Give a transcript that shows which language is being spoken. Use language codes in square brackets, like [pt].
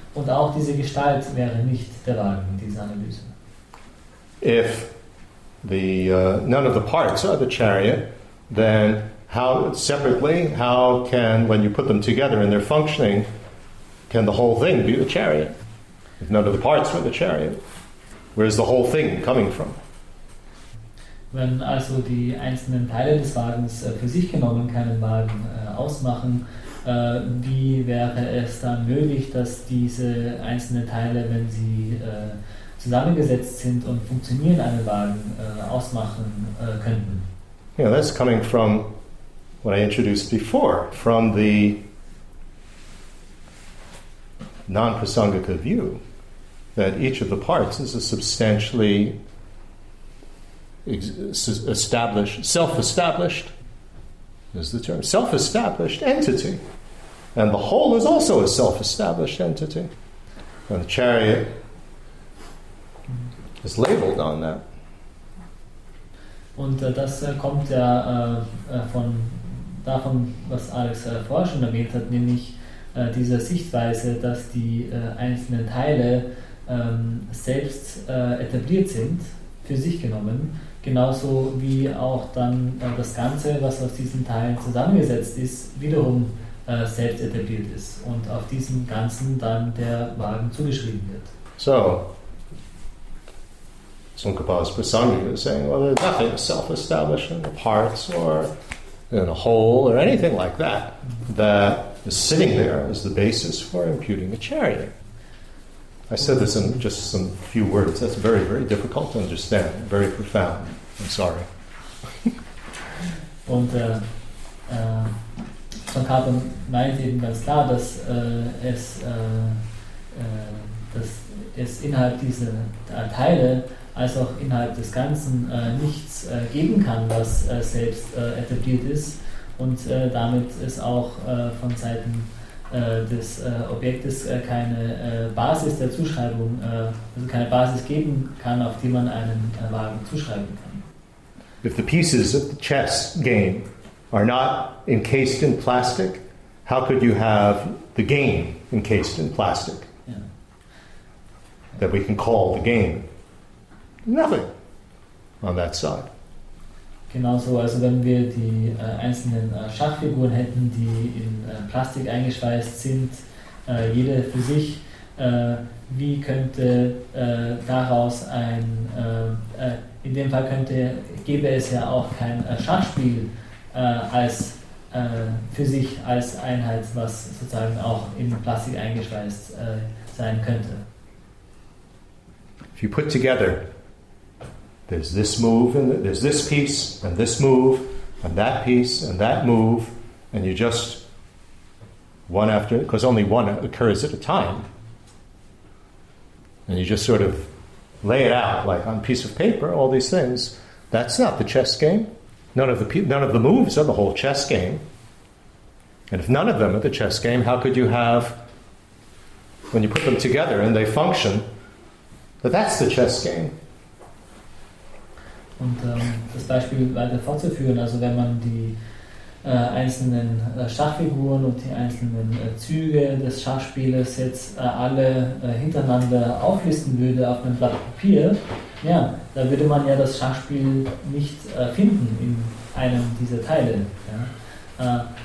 [de] Und auch diese Gestalt wäre nicht der Wagen, diese Analyse. [en] If the none of the parts are the chariot, then how separately, how can, when you put them together and they're functioning, can the whole thing be the chariot? If none of the parts were the chariot, where is the whole thing coming from? [de] Wenn also die einzelnen Teile des Wagens für sich genommen keinen Wagen ausmachen, wie wäre es dann möglich, dass diese einzelnen Teile, wenn sie zusammengesetzt sind und funktionieren, einen Wagen ausmachen könnten? [en] Yeah, that's coming from what I introduced before, from the non-prasangika view, that each of the parts is a substantially established, self-established, is the term, self-established entity. And the whole is also a self-established entity. And the chariot is labeled on that. [de] Und das kommt ja von davon, was Alex vorher schon erwähnt hat, nämlich dieser Sichtweise, dass die einzelnen Teile selbst etabliert sind, für sich genommen, genauso wie auch dann das Ganze, was aus diesen Teilen zusammengesetzt ist, wiederum selbst etabliert ist und auf diesem Ganzen dann der Wagen zugeschrieben wird. [en] So, Tsongkhapa's Prasangika is saying, well, there's nothing self-establishing, the parts or in a whole or anything like that, that is sitting there as the basis for imputing a chariot. I said this in just some few words. That's very, very difficult to understand. Very profound. I'm sorry. [de] Und Tsongkhapa meint eben ganz klar, dass es innerhalb dieser Teile als auch innerhalb des Ganzen nichts geben kann, was selbst etabliert ist. Und damit ist auch von Seiten des Objektes keine Basis der Zuschreibung, also keine Basis geben kann, auf die man einen Wagen zuschreiben kann. [en] If the pieces of the chess game are not encased in plastic, how could you have the game encased in plastic? Yeah. That we can call the game? Nothing on that side. [de] Genauso, also wenn wir die einzelnen Schachfiguren hätten, die in Plastik eingeschweißt sind, jede für sich, wie könnte daraus ein, in dem Fall könnte, gäbe es ja auch kein Schachspiel als für sich als Einheit, was sozusagen auch in Plastik eingeschweißt sein könnte. [en] If you put together, there's this move, and there's this piece, and this move, and that piece, and that move, and you just, one after, because only one occurs at a time, and you just sort of lay it out, like on a piece of paper, all these things, that's not the chess game. None of the moves are the whole chess game. And if none of them are the chess game, how could you have, when you put them together and they function, that's the chess game? [de] Und das Beispiel weiter fortzuführen, also wenn man die einzelnen Schachfiguren und die einzelnen Züge des Schachspielers jetzt alle hintereinander auflisten würde auf einem Blatt Papier, ja, da würde man ja das Schachspiel nicht finden in einem dieser Teile. Ja.